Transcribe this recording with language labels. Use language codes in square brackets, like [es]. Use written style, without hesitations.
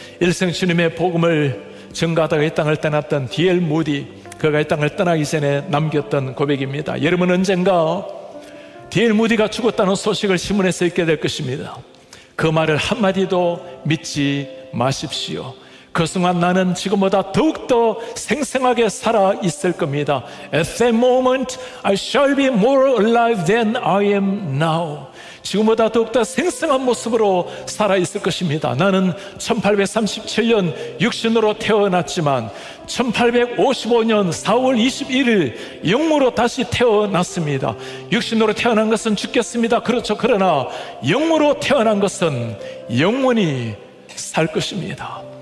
[ko] 일생 주님의 복음을 증가하다가 이 땅을 떠났던 디엘 무디, 그가 이 땅을 떠나기 전에 남겼던 고백입니다. 여러분, 언젠가 디엘 무디가 죽었다는 소식을 신문에서 읽게 될 것입니다. 그 말을 한마디도 믿지 마십시오. 그 순간 나는 지금보다 더욱더 생생하게 살아 있을 겁니다. [en] At that moment I shall be more alive than I am now. [ko] 지금보다 더욱더 생생한 모습으로 살아 있을 것입니다. 나는 1837년 육신으로 태어났지만 1855년 4월 21일 영으로 다시 태어났습니다. 육신으로 태어난 것은 죽겠습니다. 그렇죠. 그러나 영으로 태어난 것은 영원히 살 것입니다.